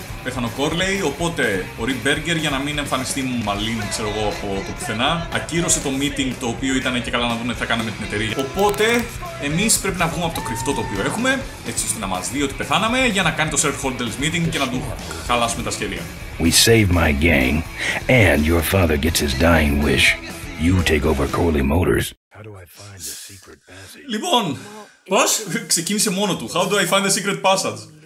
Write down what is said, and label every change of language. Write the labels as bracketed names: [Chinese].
[Greek] Πέθανε ο Corley, οπότε ο Rick Berger, για να μην εμφανιστεί μου μαλλίν, ξέρω εγώ, από το πουθενά, ακύρωσε το meeting το οποίο ήταν και καλά να δούμε τι θα κάναμε την εταιρεία. Οπότε, εμείς πρέπει να βγούμε από το κρυφτό το οποίο έχουμε, έτσι ώστε να μας δει ότι πεθάναμε, για να κάνει το shareholders meeting και να του χαλάσουμε τα σχέδια. [English] We save my gang, and your father gets his dying wish. You take over Corley Motors. How do I find the secret passage? [Greek] Λοιπόν, πώς ξεκίνησε μόνο του. [English] How do I find the secret passage?